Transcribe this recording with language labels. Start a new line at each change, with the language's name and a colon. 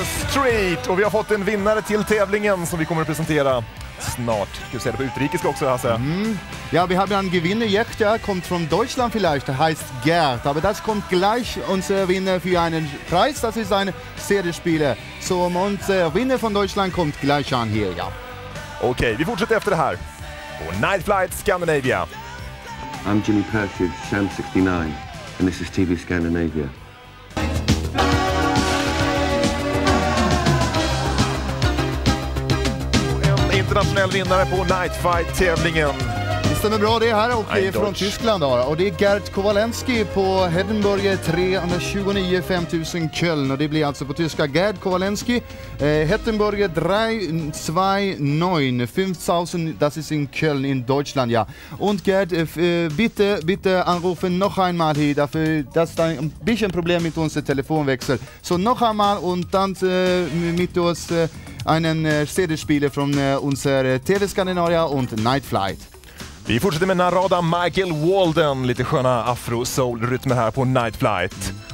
Swedish: Street. Och vi har fått en vinnare till tävlingen som vi kommer att presentera snart. Ska vi se det på utrikeska också, alltså.
German: Ja,
Swedish: vi har en
German: gewinne jetzt, ja, kommt
Swedish: från
German: Deutschland vielleicht, heißt Gerd. Aber das kommt gleich, unser Winner für einen Preis, das ist ein CD-Spieler. Så unser Winner von Deutschland kommt gleich an hier, ja.
Swedish: Okej, vi fortsätter efter det här. På Nightflight Scandinavia.
English: I'm Jimmy Persuade, Sam 69, and this is TV Scandinavia.
Swedish: Internationell vinnare på Nightfight-tävlingen. Det stämmer bra, det här och det är från Tyskland. Och det är Gert Kowalenski på Hedenburg 329 5000 Köln. Och det blir alltså på tyska Gert Kowalenski.
German: Hedenburg 329 5000, das ist in Köln in Deutschland, ja. Und Gert, bitte anrufen noch einmal hier, dafür, dass da ein bisschen Problem mit unserem Telefonwechsel. Så noch einmal und dann mit uns einen CD-Spieler
Swedish: från
German: unser TV Skandinavia und Nightflight.
Swedish: Vi fortsätter med Narada Michael Walden, lite sköna afro-soul-rytmer här på Nightflight.